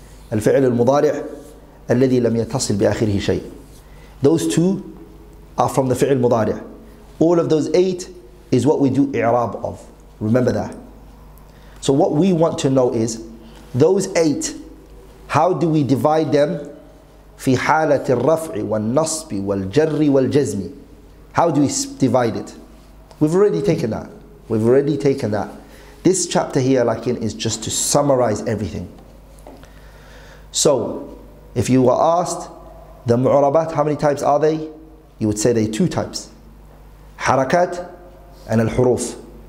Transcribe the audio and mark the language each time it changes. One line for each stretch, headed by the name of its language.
Arabic: Al-fi'il mudari', alladhi lam yattasil bi akhirihi shay.
English: Those two are from the fi'il mudari'. All of those eight is what we do i'rab of. Remember that. So what we want to know is, those eight, how do we divide them?
Arabic: في حالة الرفع والنصب والجر والجزم.
English: How do we divide it? We've already taken that. We've already taken that. This chapter here, like in, is just to summarize everything. So, if you were asked, the mu'rabat, how many types are they? You would say they are two types. Harakat and al-huruf.